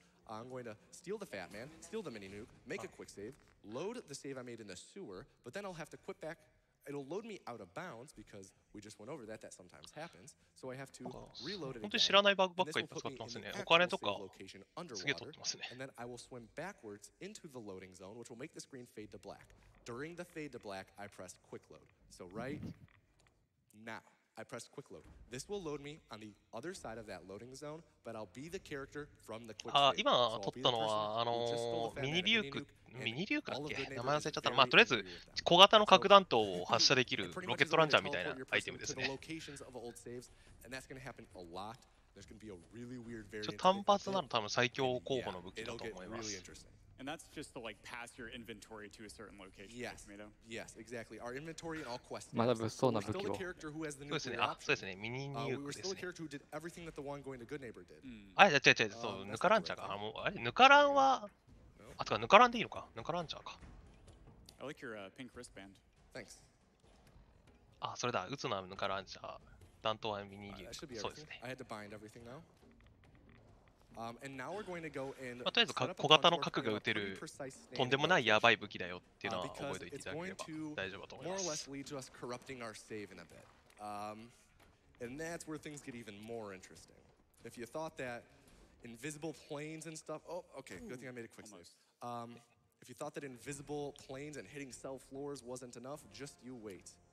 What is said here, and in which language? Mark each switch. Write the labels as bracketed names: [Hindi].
[English] I'm going to steal the fat man, steal the mini nuke, make a quick save, load the save I made in the sewer, but then I'll have to quit back. It'll load me out of bounds because we just went over that. That sometimes happens. So I have to reload it. [Japanese] 本当に知らないバグばっかり使ってますね。お金とかすげえ取ってますね。 [English] And then I will swim backwards into the loading zone, which will make the screen fade to black. During the fade to black, I press quick load. So right now. I press quick load. This will load me on the other side of that loading zone, but I'll be the character from the quick save. [Japanese] 今撮ったのは、ミニリューク、ミニリュークだっけ？名前忘れちゃったの。まあ、とりあえず、小型の核弾頭を発射できるロケットランチャーみたいなアイテムですね。ちょっと単発なの多分最強候補の武器だと思います。 [English] And that's just to like pass your inventory to a certain location. Yes. Yes. Exactly. Our inventory and all quests. [Japanese] まだ物騒な武器を。そうですね。あ、そうですね。ミニニュークですね。 [English] We still care to did everything that the one going to Good Neighbor did. [Japanese] あ、違う。そう、ぬかランチャーか。もうあれぬかランは、あ、違う。ぬかランでいいのか。ぬかランチャーか。 [English] I like your pink wristband. Thanks. [Japanese] あ、それだ。打つのはぬかランチャー。弾頭はミニニューク。そうですね。 [English] I had to bind everything now. And now we're going to go and [Japanese] まあ、とりあえず小型の核が撃てるとんでもないやばい武器だよっていうのは覚えておいていただければ大丈夫だと思います。 [English] Because it's going to more or less lead to us corrupting our save in a bit. And that's where things get even more interesting. If you thought that invisible planes and stuff, oh, okay, good thing I made a quick save. If you thought that invisible planes and hitting cell floors wasn't enough, just you wait.